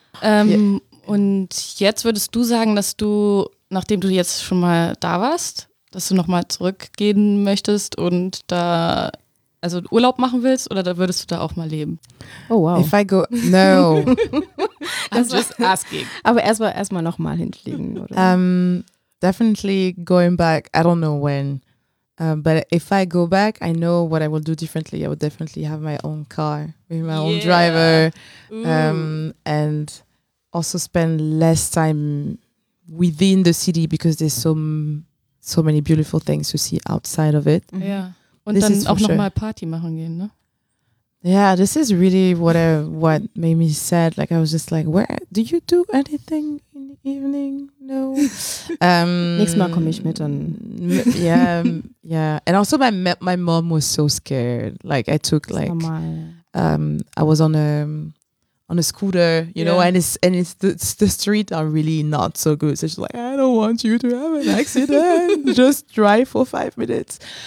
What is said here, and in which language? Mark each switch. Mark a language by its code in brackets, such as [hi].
[de] Und jetzt würdest du sagen, dass du, nachdem du jetzt schon mal da warst, dass du nochmal zurückgehen möchtest und da, also Urlaub machen willst, oder da würdest du da auch mal leben? [en] Oh wow. If I go, no. I'm just asking. [de] Aber erstmal nochmal hinfliegen, oder? [en] Definitely going back, I don't know when. But if I go back, I know what I will do differently. I would definitely have my own car with my own driver. And also spend less time within the city, because there's so many beautiful things to see outside of it. Yeah. [de] Und this dann auch nochmal Party machen gehen, ne? [en] Yeah, this is really what made me sad. Like, I was just like, where do you do anything in the evening? No. [de] Nächstes Mal komme ich mit dann. [en] And also my mom was so scared. Like, I took, normal. I was on a on a scooter, you know, and it's the street are really not so good. So she's like, I don't want you to have an accident. Just drive for 5 minutes.